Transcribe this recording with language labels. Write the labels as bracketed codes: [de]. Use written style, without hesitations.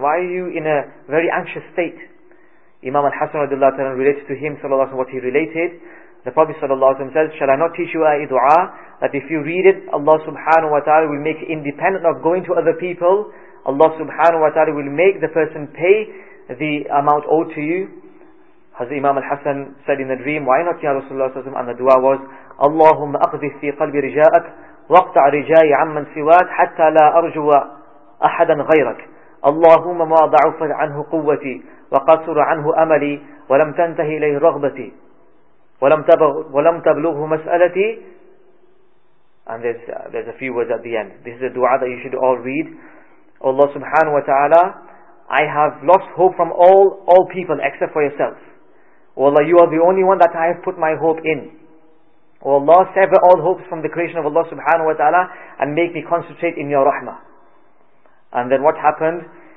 [en] Why are you in a very anxious state? Imam Al-Hasan radiallahu ta'ala related to him sallallahu alayhi wa sallam what he related. The Prophet sallallahu alayhi wa sallam said, shall I not teach you a dua? That if you read it, Allah subhanahu wa ta'ala will make, independent of going to other people, Allah subhanahu wa ta'ala will make the person pay the amount owed to you. As Imam Al-Hasan said in the dream, why not, ya Rasulullah sallallahu alayhi wa sallam? And the dua was, [ar] Allahumma aqdis fi qalbi rija'ak, وقطع رجائي عمن سواك حتى لا أرجو أحدا غيرك اللهم ما ضعف عنه قوتي وقصر عنه أملي ولم تنتهي إليه رغبتي ولم تبلغه مسألتي. [en] And there's a few words at the end. This is a dua that you should all read. Allah subhanahu wa ta'ala, I have lost hope from all people except for yourself. Allah, you are the only one that I have put my hope in. O Allah, sever all hopes from the creation of Allah subhanahu wa ta'ala and make me concentrate in your rahmah. And then what happened?